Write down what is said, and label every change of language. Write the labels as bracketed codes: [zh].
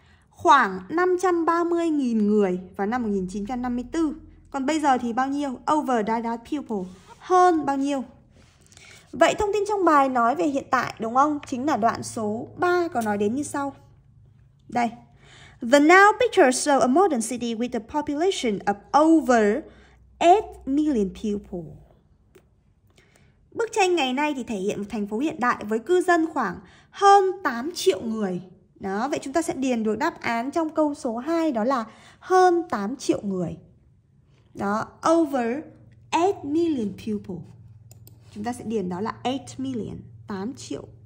[vi] Khoảng 530.000 người vào năm 1954. Còn bây giờ thì bao nhiêu? [en] Over that people, [vi] hơn bao nhiêu? Vậy thông tin trong bài nói về hiện tại, đúng không? Chính là đoạn số 3 có nói đến như sau. Đây. [en] The now picture shows a modern city with a population of over 8 million people. [vi] Bức tranh ngày nay thì thể hiện một thành phố hiện đại với cư dân khoảng hơn 8 triệu người. Đó, vậy chúng ta sẽ điền được đáp án trong câu số 2, đó là hơn 8 triệu người. Đó, [en] over 8 million people. [vi] Chúng ta sẽ điền đó là [en] 8 million, [vi] 8 triệu.